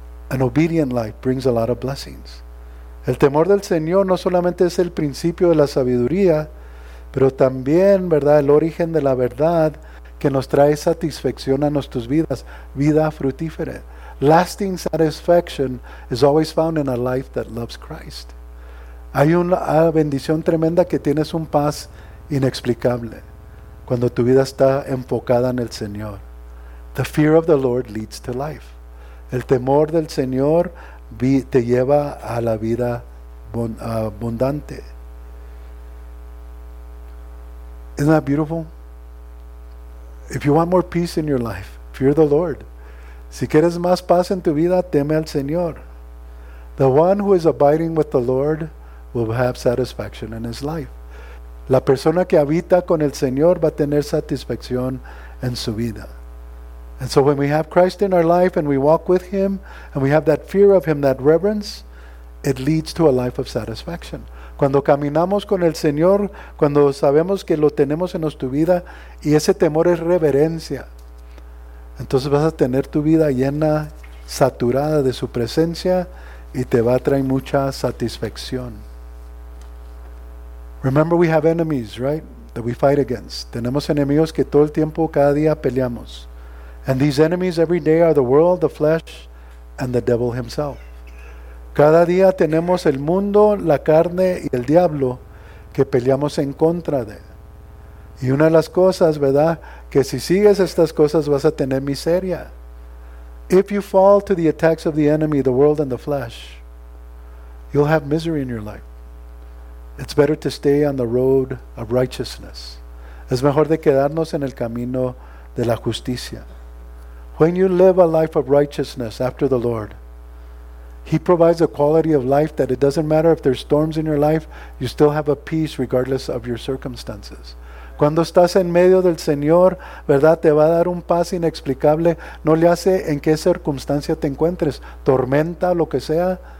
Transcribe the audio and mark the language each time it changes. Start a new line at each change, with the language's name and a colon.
English: An obedient life brings a lot of blessings.
Spanish: El temor del Señor no solamente es el principio de la sabiduría, pero también, ¿verdad?, el origen de la verdad que nos trae satisfacción a nuestras vidas, vida frutífera.
English: Lasting satisfaction is always found in a life that loves Christ.
Spanish: Hay una bendición tremenda que tienes un paz inexplicable cuando tu vida está enfocada en el Señor.
English: The fear of the Lord leads to life.
Spanish: El temor del Señor te lleva a la vida abundante.
English: Isn't that beautiful? If you want more peace in your life, fear the Lord.
Spanish: Si quieres más paz en tu vida, teme al Señor.
English: The one who is abiding with the Lord will have satisfaction in his life.
Spanish: La persona que habita con el Señor va a tener satisfacción en su vida.
English: And so when we have Christ in our life and we walk with him and we have that fear of him, that reverence, it leads to a life of satisfaction.
Spanish: Cuando caminamos con el Señor, cuando sabemos que lo tenemos en nuestra vida y ese temor es reverencia, entonces vas a tener tu vida llena, saturada de su presencia y te va a traer mucha satisfacción.
English: Remember, we have enemies, right? That we fight against.
Spanish: Tenemos enemigos que todo el tiempo, cada día peleamos.
English: And these enemies every day are the world, the flesh, and the devil himself.
Spanish: Cada día tenemos el mundo, la carne y el diablo que peleamos en contra de. Y una de las cosas, ¿verdad?, que si sigues estas cosas vas a tener miseria.
English: If you fall to the attacks of the enemy, the world, and the flesh, you'll have misery in your life. It's better to stay on the road of righteousness.
Spanish: Es mejor de quedarnos en el camino de la justicia.
English: When you live a life of righteousness after the Lord, He provides a quality of life that it doesn't matter if there's storms in your life, you still have a peace regardless of your circumstances.
Spanish: Cuando estás en medio del Señor, ¿verdad?, te va a dar un paz inexplicable. No le hace en qué circunstancia te encuentres, tormenta, lo que sea.